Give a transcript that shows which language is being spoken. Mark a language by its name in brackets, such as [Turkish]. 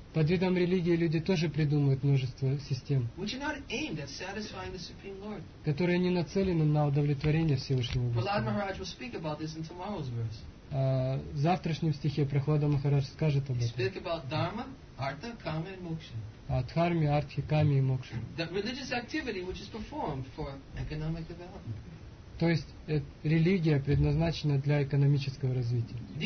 [Russian] Под видом религии люди тоже придумывают множество систем, [English] which are not aimed at satisfying the Supreme Lord. [Russian] Которые не нацелены на удовлетворение Всевышнего Господа. [English] Prahlad Maharaj will speak about this in tomorrow's verse. [Russian] В завтрашнем стихе Прохлада Махарадж скажет об этом. [English] He speak about dharma, artha, kama, and moksha. [Russian] О дхарме, артхе, каме и мокше. [English] That religious activity which is performed for economic development. [Russian] То есть религия предназначена для экономического развития.